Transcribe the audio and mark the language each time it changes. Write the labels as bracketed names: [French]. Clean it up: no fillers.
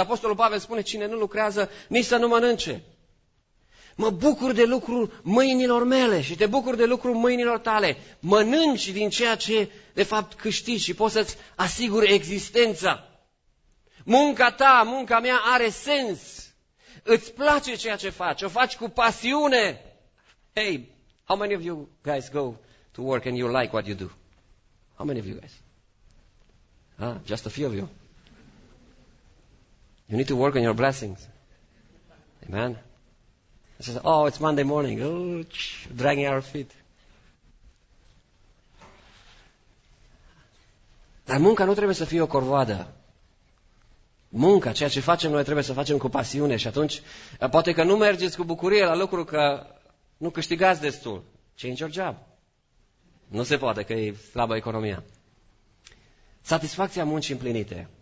[Romanian] Apostolul Pavel spune, cine nu lucrează, nici să nu mănânce. Mă bucur de lucrul mâinilor mele și te bucur de lucrul mâinilor tale. Mănânci din ceea ce, de fapt, câștigi și poți să-ți asiguri existența. Munca ta, munca mea are sens. Îți place ceea ce faci, o faci cu pasiune. [English] Hey, how many of you guys go to work and you like what you do? How many of you guys? Just a few of you. You need to work on your blessings. Amen. It says, oh, it's Monday morning, oh, dragging our feet. [Romanian] Dar munca nu trebuie să fie o corvoadă. Munca, ceea ce facem noi, trebuie să facem cu pasiune și atunci poate că nu mergeți cu bucurie la lucru că nu câștigați destul. [English] Change your job. [Romanian] Nu se poate că e slabă economia. Satisfacția muncii împlinite.